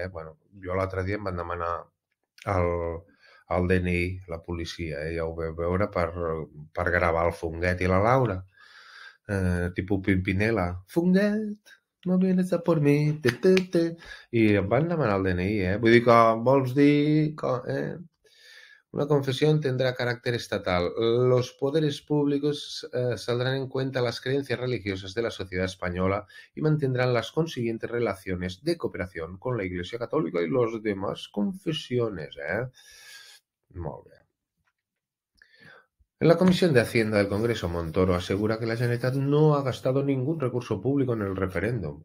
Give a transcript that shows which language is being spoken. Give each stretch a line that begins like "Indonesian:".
Catalan: Bueno, jo l'altre dia em van demanar el DNI, la policia, ja ho vau veure, per gravar el Funguet i la Laura.
Spanish: Tipo Pimpinela, Funguet... No vienes a por mí, te, te, te.
Catalan: I em van demanar el DNI, eh? Vull dir que vols dir... Que, Una confessió tindrà caràcter estatal.
Spanish: Los poderes públicos saldrán en cuenta las creencias religiosas de la sociedad española y mantendrán las consiguientes relaciones de cooperación con la Iglesia Católica y las demás confesiones,
Catalan: Molt bé.
Spanish: En la Comisión de Hacienda del Congreso, Montoro asegura que la Generalitat no ha gastado ningún recurso público en el referéndum.